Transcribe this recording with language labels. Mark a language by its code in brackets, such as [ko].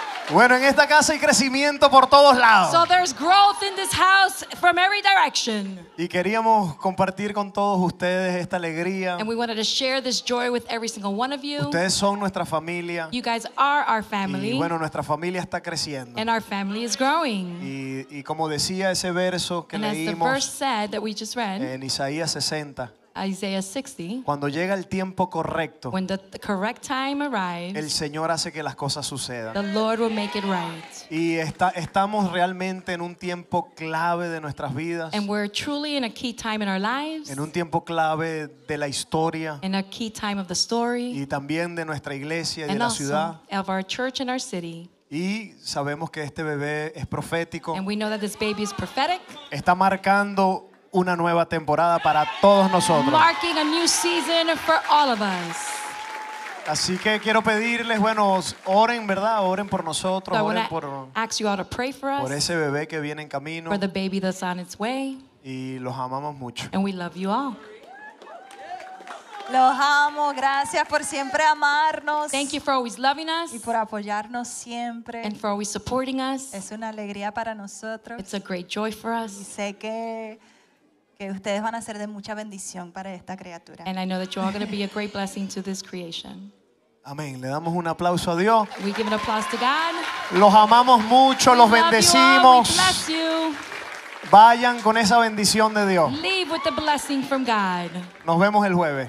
[es] Bueno, en esta casa hay crecimiento por todos lados. [en] So there's growth in this house from every direction. [es] Y queríamos compartir con todos ustedes esta alegría. [en] And we wanted to share this joy with every single one of you. [es] Ustedes son nuestra familia. [en] You guys are our family. [es] Y bueno, nuestra familia está creciendo. [en] And our family is growing. [es] Y como decía ese verso que [en] and [es] leímos. [en] And as the verse said that we just read. [es] En Isaías 60. [en] Isaiah 60. [es] Cuando llega el tiempo correcto, [en] when the correct time arrives, [es] el Señor hace que las cosas sucedan. [en] The Lord will make it right. [es] Y estamos realmente en un tiempo clave de nuestras vidas. [en] And we're truly in a key time in our lives. [es] En un tiempo clave de la historia. [en] In a key time of the story. [es] Y también de nuestra iglesia y [en] and [es] de la ciudad. [en] Of our church and our city. [es] Y sabemos que este bebé es profético. [en] And we know that this baby is prophetic. [es] Está marcando una nueva temporada para todos nosotros. [en] Marking a new season for all of us. [es] Así que quiero pedirles, bueno, oren, ¿verdad? Oren por nosotros, [en] so [es] oren por [en] ask you all to pray for us, [es] por ese bebé que viene en camino. [en] For the baby that's on its way. [es] Y los amamos mucho. [en] And we love you all. [es] Los amo, gracias por siempre amarnos. [en] Thank you for always loving us. [es] Y por apoyarnos siempre. [en] And for always supporting us. [es] Es una alegría para nosotros. [en] It's a great joy for us. [es] Y sé que ustedes van a ser de mucha bendición para esta criatura. [en] And I know that you are going to be a great blessing to this creation. [es] Amén. Le damos un aplauso a Dios. [en] We give an applause to God. [es] Los amamos mucho, [en] we [es] los bendecimos. [en] We bless you. [es] Vayan con esa bendición de Dios. [en] Leave with the blessing from God. [es] Nos vemos el jueves.